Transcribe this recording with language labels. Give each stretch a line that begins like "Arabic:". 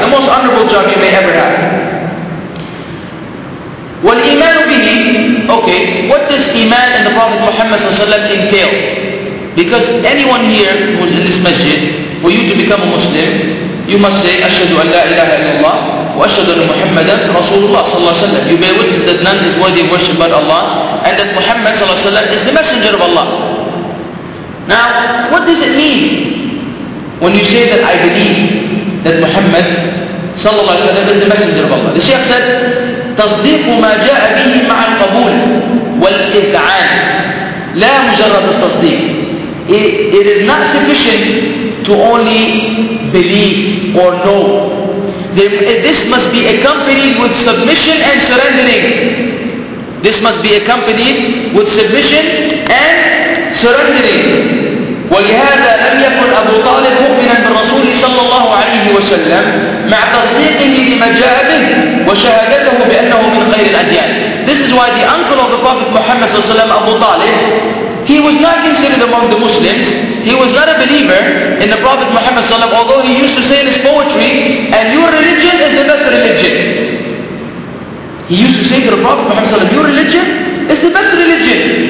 English: The most honorable job you may ever have. Wal iman bihi. Okay, what does iman and the Prophet Muhammad sallallahu alaihi wasallam entail? Because anyone here who's in this masjid, for you to become a Muslim, you must say, Ashhadu an la ilaha illallah,
Arabic: وأشهد أن محمدا رسول الله صلى الله عليه وسلم.
English: You bear witness that none is worthy of worship but Allah, and that Muhammad صلى الله عليه وسلم is the messenger of Allah. Now, what does it mean when you say that I believe that Muhammad صلى الله عليه وسلم is the messenger of Allah? The Shaykh said,
Arabic: تصديق ما جاء به مع القبول والإدعاء لا مجرد التصديق.
English: It is not sufficient to only believe or know. This must be accompanied with submission and surrendering. This must be accompanied with submission and surrendering.
Arabic: ولهذا لم يكن أبو طالب مؤمنا بالرسول صلى الله عليه وسلم مع تصديقه لما جاء به وشهادته بأنه من خير الأديان.
English: This is why the uncle of the Prophet Muhammad صلى الله عليه وسلم, Abu Talib, he was not considered among the Muslims. He was not a believer in the Prophet Muhammad صلى الله عليه وسلم, although he used to say in his poetry, "And your religion is the best religion." He used to say to the Prophet Muhammad صلى الله عليه وسلم, "Your religion is the best religion."